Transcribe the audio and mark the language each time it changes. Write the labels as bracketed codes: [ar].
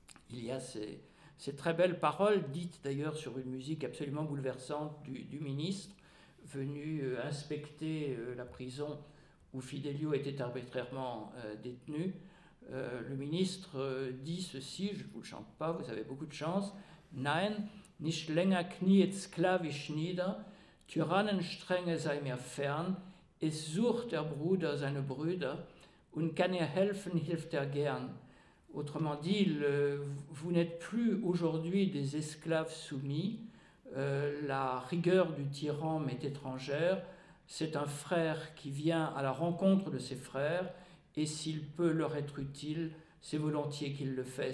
[fr] Il y a ces très belles paroles, dites d'ailleurs sur une musique absolument bouleversante du ministre, venu inspecter la prison où Fidelio était arbitrairement détenu. Le ministre dit ceci, je ne vous le chante pas, vous avez beaucoup de chance. [de] Nein, nicht länger kniet sklavisch nieder, tyrannenstrenge sei mir fern, es sucht der Bruder seine Brüder, und kann er helfen, hilft er gern. [fr] Autrement dit, vous n'êtes plus aujourd'hui des esclaves soumis, la rigueur du tyran m'est étrangère, c'est un frère qui vient à la rencontre de ses frères. Et s'il peut leur être utile, c'est volontiers qu'il le fait.